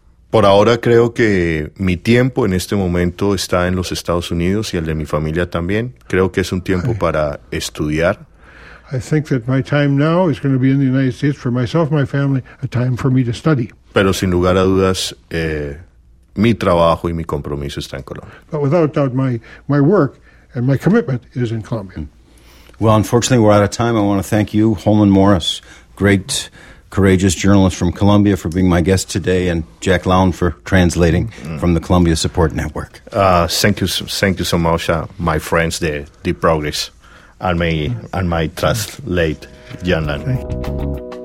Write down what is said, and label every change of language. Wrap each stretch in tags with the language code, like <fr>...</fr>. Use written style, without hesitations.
<es>Por ahora creo que mi tiempo en este momento está en los Estados Unidos y el de mi familia también. Creo que es un tiempo para estudiar.</es> <en>I think that my time now is going to be in the United States for myself, my family, a time for me to study.</en> <es>Pero sin lugar a dudas, mi trabajo y mi compromiso está en Colombia.</es> <en>But without doubt, my work and my commitment is in Colombia. Well, unfortunately, we're out of time. I want to thank you, Holman Morris. Great, courageous journalist from Colombia for being my guest today, and Jack Lown for translating from the Colombia Support Network. Thank you so much, my friends there, the Progress, and my translate, Jan Lown.</en>